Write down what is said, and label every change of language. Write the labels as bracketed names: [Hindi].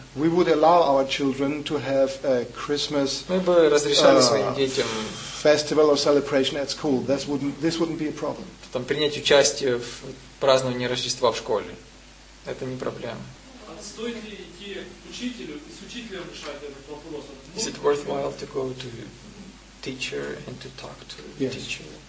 [English] We would allow our children to have a Christmas. [Russian] Мы бы разрешали своим детям [English] festival or celebration at school. This wouldn't be a problem. [Russian] Там принять участие в праздновании Рождества в школе. Это не проблема. Стоит ли идти к учителю и с учителем решать этот вопрос? [English] Is it worthwhile to go to teacher and to talk to the teacher?